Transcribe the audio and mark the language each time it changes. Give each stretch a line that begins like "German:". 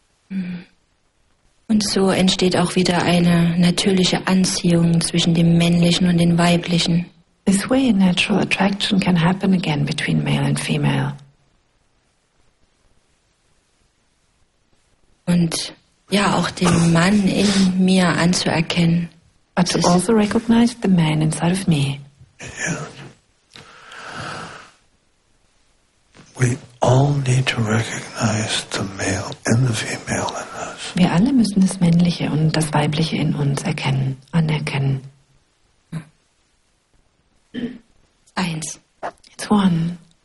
German: Und so entsteht auch wieder eine natürliche Anziehung zwischen dem männlichen und dem weiblichen.
English: This way a natural attraction can happen again between male and female.
German: Und ja, auch den Mann in mir anzuerkennen.
English: But to also recognize the man inside of me. Yeah. We all need to recognize the male and the female in us.
German: Wir alle müssen das Männliche und das Weibliche in uns erkennen, anerkennen. Eins.
English: It's one.